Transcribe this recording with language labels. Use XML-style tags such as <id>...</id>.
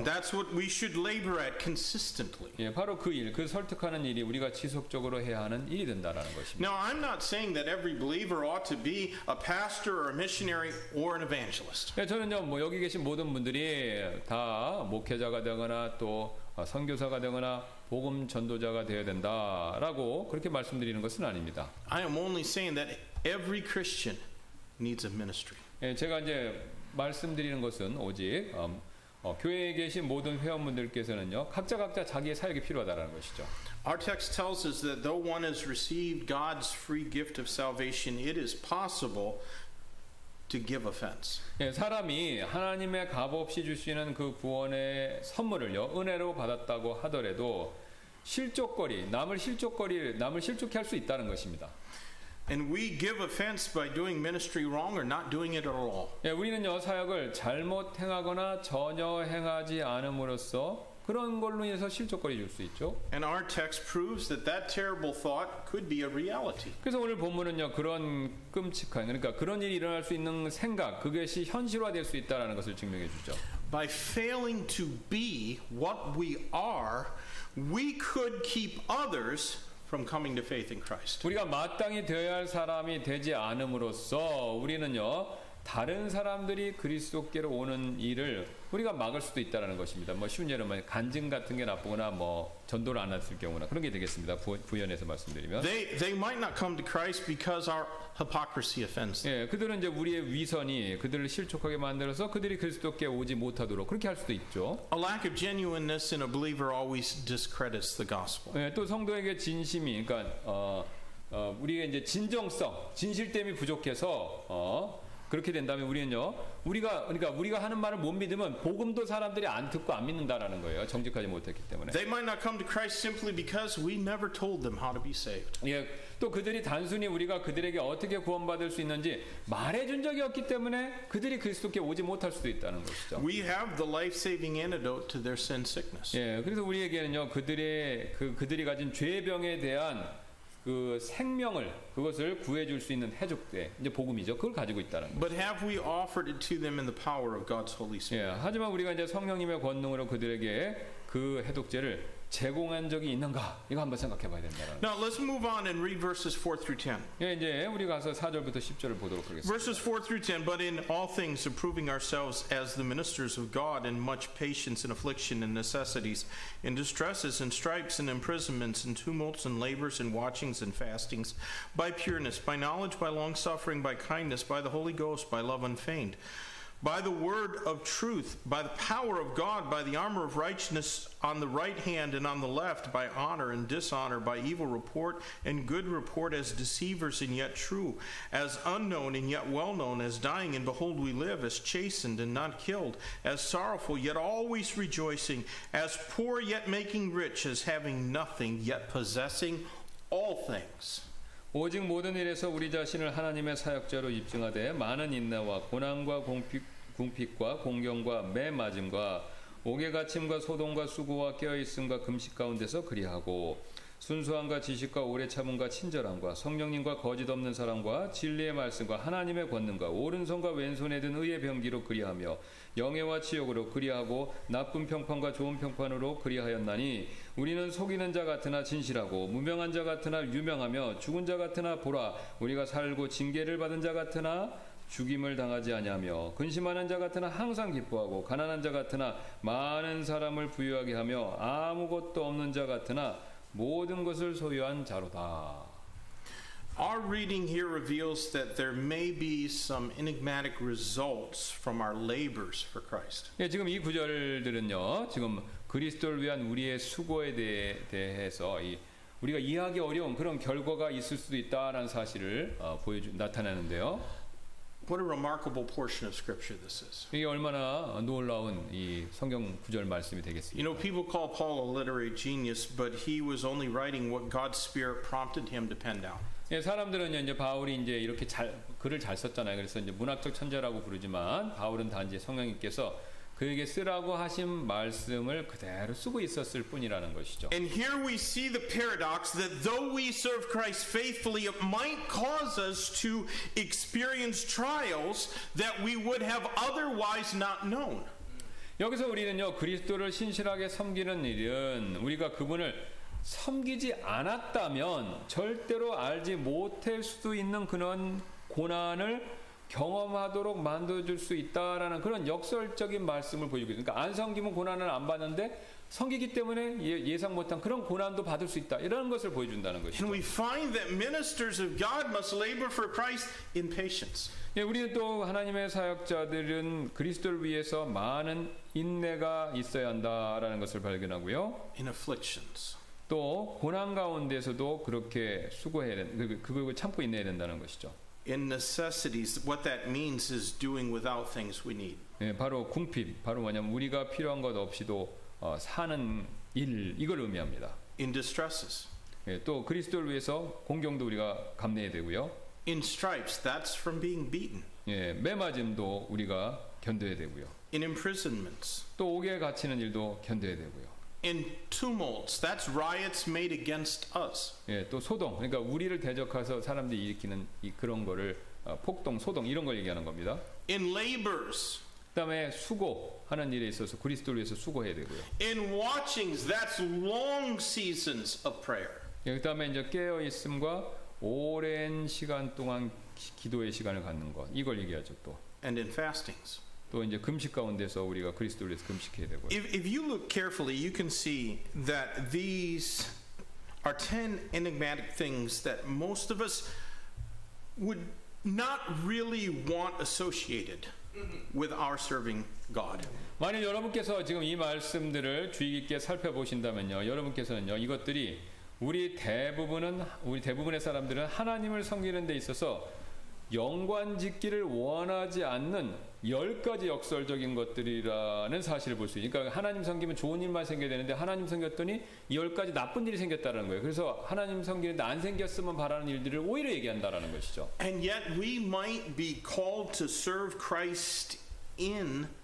<en>And that's what we should labor at consistently.</en> <ko>예, 바로 그 일, 그 설득하는 일이 우리가 지속적으로 해야 하는 일이 된다라는 것입니다.</ko> <en>Now I'm not saying that every believer ought to be a pastor or a missionary or an evangelist.</en> <ko>예, 저는요, 뭐 여기 계신 모든 분들이 다 목회자가 되거나 또 선교사가 되거나 복음 전도자가 되어야 된다라고 그렇게 말씀드리는 것은 아닙니다.</ko> <en>I am only saying that every Christian needs a ministry.</en> <ko>예, 제가 이제 말씀드리는 것은 오직 교회에 계신 모든 회원분들께서는요 각자 각자 자기의 사역이 필요하다라는 것이죠.</ko> <en>Our text tells us that though one has received God's free gift of salvation, it is possible to give offense.</en> <ko>예, 사람이 하나님의 값없이 주시는 그 구원의 선물을요 은혜로 받았다고 하더라도 실족거리 남을 실족케 할 수 있다는 것입니다.</ko> <en>And we give offense by doing ministry wrong or not doing it at all.</en> <ko>예, 우리는요 사역을 잘못 행하거나 전혀 행하지 않음으로써 그런 걸로 인해서 실족거리 줄 수 있죠.</ko> <en>And our text proves that that terrible thought could be a reality.</en> <ko>그래서 오늘 본문은요 그런 끔찍한 그러니까 그런 일이 일어날 수 있는 생각 그것이 현실화될 수 있다라는 것을 증명해 주죠.</ko> <en>By failing to be what we are, we could keep others. From coming to faith in Christ.</en> <ko>우리가 마땅히 되어야 할 사람이 되지 않음으로써 우리는요 다른 사람들이 그리스도께로 오는 일을 우리가 막을 수도 있다라는 것입니다. 뭐 쉬운 예로 말 간증 같은 게 나쁘거나 뭐 전도를 안 했을 경우나 그런 게 되겠습니다. 부연해서 말씀드리면.</ko> <en>They might not come to Christ because our hypocrisy offends.</en> <ko>예, 그들은 이제 우리의 위선이 그들을 실족하게 만들어서 그들이 그리스도께 오지 못하도록 그렇게 할 수도 있죠.</ko> <en>A lack of genuineness in a believer always discredits the gospel.</en> <ko>예, 또 성도에게 진심이 그러니까 우리의 이제 진정성, 진실됨이 부족해서 그렇게 된다면 우리는요. 우리가 하는 말을 못 믿으면 복음도 사람들이 안 듣고 안 믿는다라는 거예요. 정직하지 못했기 때문에.</ko> <en>They might not come to Christ simply because we never told them how to be saved.</en> <ko>예, 또 그들이 단순히 우리가 그들에게 어떻게 구원받을 수 있는지 말해 준 적이 없기 때문에 그들이 그리스도께 오지 못할 수도 있다는 것이죠.</ko> <en>We have the life-saving antidote to their sin sickness.</en> <ko>예, 그래서 우리에게는요. 그들이 가진 죄병에 대한 그 생명을 그것을 구해 줄 수 있는 해적대 이제 복음이죠. 그걸 가지고 있다는 거죠.</ko> <en>But have we offered it to them in the power of God's Holy Spirit?</en> <ko>예, 하지만 우리가 이제 성령님의 권능으로 그들에게 그 해독제를 제공한 적이 있는가? 이거 한번 생각해 봐야 됩니다.</ko> <en>Now let's move on and read verses 4 through 10.</en> <ko>예, 이제 우리 가서 4절부터 10절을 보도록 하겠습니다.</ko> <en>Verses 4 through 10, but in all things approving ourselves as the ministers of God in much patience and affliction and necessities, in distresses and stripes and imprisonments and tumults and labors and watchings and fastings, by pureness, by knowledge, by long suffering, by kindness, by the Holy Ghost, by love unfeigned. By the word of truth, by the power of God, by the armor of righteousness on the right hand and on the left, by honor and dishonor, by evil report and good report, as deceivers and yet true, as unknown and yet well known, as dying and behold we live, as chastened and not killed, as sorrowful yet always rejoicing, as poor yet making rich, as having nothing yet possessing all things.</en> <ko>오직 모든 일에서 우리 자신을 하나님의 사역자로 입증하되 많은 인내와 고난과 궁핍과 공경과 매맞음과 옥에 갇힘과 소동과 수고와 깨어있음과 금식 가운데서 그리하고 순수함과 지식과 오래 참음과 친절함과 성령님과 거짓 없는 사랑과 진리의 말씀과 하나님의 권능과 오른손과 왼손에 든 의의 병기로 그리하며 영예와 치욕으로 그리하고 나쁜 평판과 좋은 평판으로 그리하였나니 우리는 속이는 자 같으나 진실하고 무명한 자 같으나 유명하며 죽은 자 같으나 보라 우리가 살고 징계를 받은 자 같으나 죽임을 당하지 아니하며 근심하는 자 같으나 항상 기뻐하고 가난한 자 같으나 많은 사람을 부유하게 하며 아무것도 없는 자 같으나 모든 것을 소유한 자로다.</ko> <en>Our reading here reveals that there may be some enigmatic results from our labors for Christ.</en> <ko>예, 지금 이 구절들은요, 지금 그리스도를 위한 우리의 수고에 대해서 이 우리가 이해하기 어려운 그런 결과가 있을 수도 있다라는 사실을 나타내는데요.</ko> <en>What a remarkable portion of scripture this is.</en> <ko>이게 얼마나 놀라운 이 성경 구절 말씀이 되겠습니까?</ko> <en>You know, people call Paul a literary genius, but he was only writing what God's Spirit prompted him to pen down.</en> <ko>예, 사람들은요, 이제 바울이 이제 이렇게 잘 글을 잘 썼잖아요. 그래서 이제 문학적 천재라고 부르지만 바울은 단지 성령님께서 그에게 쓰라고 하신 말씀을 그대로 쓰고 있었을 뿐이라는 것이죠.</ko> <en>And here we see the paradox that though we serve Christ faithfully, it might cause us to experience trials that we would have otherwise not known.</en> <ko>여기서 우리는요, 그리스도를 신실하게 섬기는 일은 우리가 그분을 섬기지 않았다면 절대로 알지 못할 수도 있는 그런 고난을 경험하도록 만들어줄 수 있다라는 그런 역설적인 말씀을 보여주고 있습니다. 그러니까 안 섬기면 고난을 안 받는데 섬기기 때문에 예상 못한 그런 고난도 받을 수 있다. 이런 것을 보여준다는 것이죠.</ko> <en>And we find that ministers of God must labor for Christ in patience.</en> <ko>예, 우리는 또 하나님의 사역자들은 그리스도를 위해서 많은 인내가 있어야 한다라는 것을 발견하고요.</ko> <en>In afflictions.</en> <ko>또 고난 가운데서도 그렇게 수고해야 그걸 참고 인내해야 된다는 것이죠.</ko> <en>In necessities, what that means is doing without things we need.</en> <ko>예, 바로 궁핍, 바로 뭐냐면 우리가 필요한 것 없이도 사는 일, 이걸 의미합니다.</ko> <en>In distresses.</en> <ko>예, 또 그리스도를 위해서 공경도 우리가 감내해야 되고요.</ko> <en>In stripes, that's from being beaten.</en> <ko>예, 매맞음도 우리가 견뎌야 되고요.</ko> <en>In imprisonments.</en> <ko>또 옥에 갇히는 일도 견뎌야 되고요.</ko> <en>In tumults, that's riots made against us.</en> <ko>예, 또 소동, 그러니까 우리를 대적해서 사람들이 일으키는 이 그런 거를 폭동, 소동 이런 걸 얘기하는 겁니다.</ko> <en>In labors,</en> <ko>그다음에 수고 하는 일에 있어서 그리스도를 위해서 수고해야 되고요.</ko> <en>In watchings, that's long seasons of prayer.</en> <ko>예, 그다음에 이제 깨어 있음과 오랜 시간 동안 기도의 시간을 갖는 것, 이걸 얘기하죠 또.</ko> <en>And in fastings.</en> <ko>또 이제 금식 가운데서 우리가 그리스도를 위해서 금식해야 되고요.</ko> <en>If you look carefully, you can see that these are 10 enigmatic things that most of us would not really want associated with our serving God.</en> <ko>만약 여러분께서 지금 이 말씀들을 주의 깊게 살펴보신다면요, 여러분께서는요 이것들이 우리 대부분의 사람들은 하나님을 섬기는 데 있어서 연관짓기를 원하지 않는 열 가지 역설적인 것들이라는 사실을 볼 수 있으니까 하나님 섬기면 좋은 일만 생겨야 되는데 하나님 섬겼더니 열 가지 나쁜 일이 생겼다는 거예요. 그래서 하나님 섬기는데 안 생겼으면 바라는 일들을 오히려 얘기한다라는 것이죠.</ko> <en>And yet we might be called to serve Christ in</en>